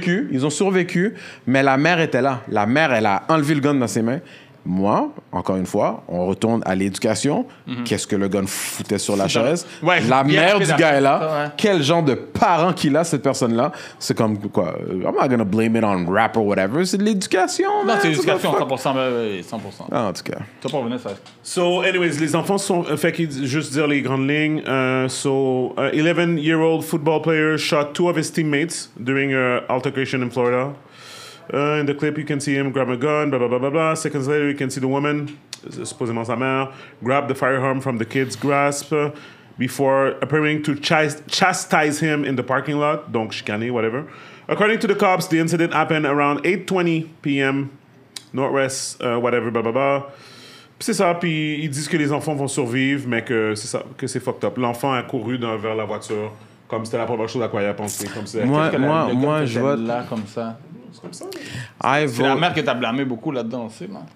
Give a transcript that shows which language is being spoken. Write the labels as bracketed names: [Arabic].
[French] Ils ont survécu, mais la mère était là. La mère, elle a enlevé le gun dans ses mains. Moi, encore une fois, on retourne à l'éducation. Mm-hmm. Qu'est-ce que le gun foutait sur la chaise? Ouais, la mère du gars est là. Ouais. Quel genre de parent qu'il a, cette personne-là? C'est comme quoi? [English] I'm not gonna blame it on rap or whatever. [French] C'est de l'éducation. Non, man, c'est l'éducation, 100%. Mais 100%. Ah, en tout cas. T'as pas revenu, ça. So, anyways, les enfants sont... Fait qu'il juste dire les grandes lignes. [English] So, 11-year-old football player shot two of his teammates during an altercation in Florida. In the clip, you can see him grab a gun, blah, blah, blah, blah, blah. Seconds later, you can see the woman, supposedly [French] sa mère, [English] grab the firearm from the kid's grasp before appearing to chastise him in the parking lot. [French] Donc, chicaner, [English] whatever. According to the cops, the incident happened around 8:20 p.m. Northwest, whatever, blah, blah, blah. [French] Puis c'est ça, puis ils disent que les enfants vont survivre, mais que c'est ça, que c'est fucked up. L'enfant a couru vers la voiture, comme c'était la première chose à quoi il a pensé. Comme c'est, moi, je vois... Là, comme ça. C'est comme ça. C'est la mère qui t'a blâmé beaucoup là-dedans, c'est moi.